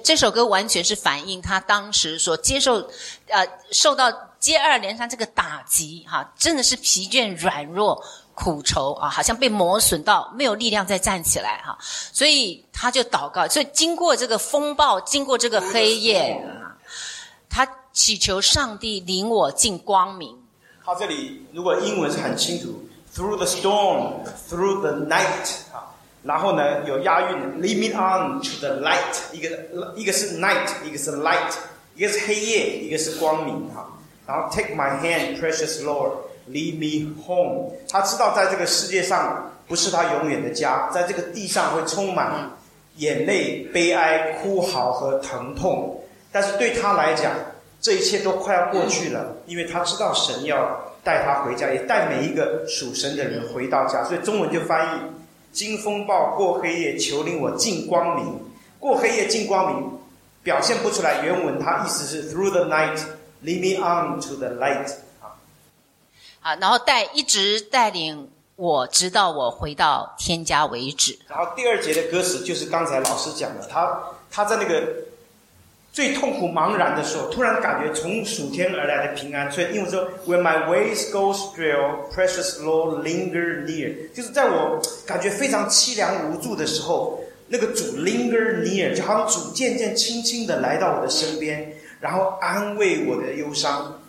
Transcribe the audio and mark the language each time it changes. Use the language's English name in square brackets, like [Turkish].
[Chinese] 这首歌完全是反映他当时所接受，受到接二连三这个打击哈、真的是疲倦、软弱、苦愁啊，好像被磨损到没有力量再站起来哈、所以他就祷告，所以经过这个风暴，经过这个黑夜啊，他。祈求上帝领我进光明。他这里如果英文是很清楚 ， [English] through the storm, through the night， [Chinese] 然后呢有押韵 ， [English] lead me on to the light， [Chinese] 一个是 night， 一个是 light， 一个是黑夜，一个是光明，然后 [English] take my hand, precious Lord, lead me home。 [Chinese] 他知道在这个世界上不是他永远的家，在这个地上会充满眼泪、悲哀、哭嚎和疼痛，但是对他来讲。这一切都快要过去了，因为他知道神要带他回家，也带每一个属神的人回到家。所以中文就翻译：经风暴过黑夜，求领我进光明。过黑夜进光明，表现不出来。原文他意思是 [English] through the night, lead me on to the light。 [Chinese] 好，然后一直带领我，直到我回到天家为止。然后第二节的歌词就是刚才老师讲的，他在那个。最痛苦茫然的时候，突然感觉从属天而来的平安。所以英文说 [English] When my ways go astray, precious Lord linger near， [Chinese] 就是在我感觉非常凄凉无助的时候，那个主 [English] linger near， [Chinese] 就好像主渐渐轻轻地来到我的身边，然后安慰我的忧伤。